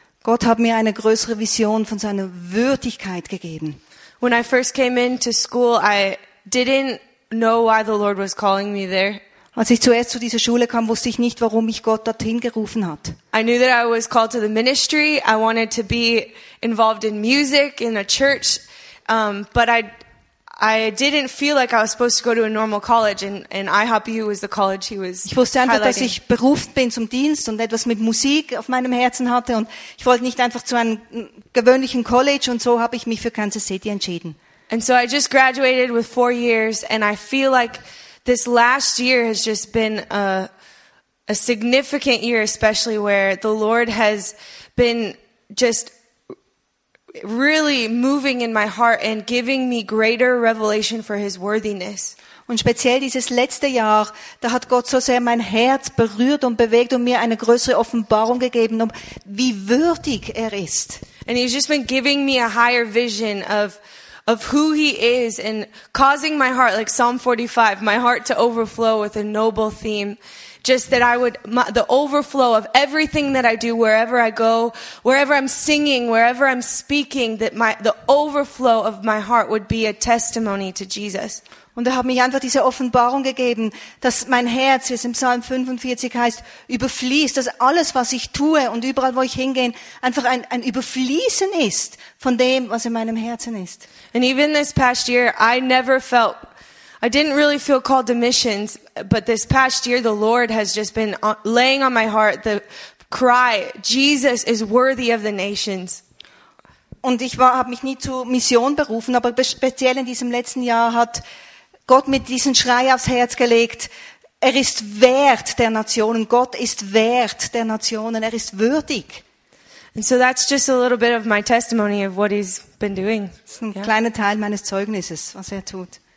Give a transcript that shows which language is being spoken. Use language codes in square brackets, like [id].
[de] Gott hat mir eine größere Vision von seiner Würdigkeit gegeben. [en] When I first came into school, I didn't know why the Lord was calling me there. [de] Als ich zuerst zu dieser Schule kam, wusste ich nicht, warum mich Gott dorthin gerufen hat. [en] I knew that I was called to the ministry. I wanted to be involved in music in a church, but I didn't feel like I was supposed to go to a normal college, and IHOPU was the college he was. [de] Ich wusste einfach, dass ich berufen bin zum Dienst und etwas mit Musik auf meinem Herzen hatte, und ich wollte nicht einfach zu einem gewöhnlichen College, und so habe ich mich für Kansas City entschieden. [en] And so I just graduated with 4 years, and I feel like this last year has just been a significant year, especially where the Lord has been just really moving in my heart and giving me greater revelation for His worthiness. [de] Und speziell dieses letzte Jahr, da hat Gott so sehr mein Herz berührt und bewegt und mir eine größere Offenbarung gegeben, um wie würdig er ist. [en] And He's just been giving me a higher vision of of who he is and causing my heart, like Psalm 45, my heart to overflow with a noble theme. Just that I would, the overflow of everything that I do, wherever I go, wherever I'm singing, wherever I'm speaking, that the overflow of my heart would be a testimony to Jesus. [de] Und hat mich einfach diese Offenbarung gegeben, dass mein Herz, wie es im Psalm 45 heißt, überfließt, dass alles, was ich tue und überall, wo ich hingehe, einfach ein Überfließen ist von dem, was in meinem Herzen ist. [en] And even this past year, I didn't really feel called to missions, but this past year, the Lord has just been laying on my heart the cry, Jesus is worthy of the nations. [de] Und ich habe mich nie zu Mission berufen, aber speziell in diesem letzten Jahr hat Gott mit diesen Schrei aufs Herz gelegt, er ist wert der Nationen, Gott ist wert der Nationen, er ist würdig. [en] And so that's just a little bit of my testimony of what he's been doing. [de] Das ist ein kleiner Teil meines Zeugnisses, was er tut.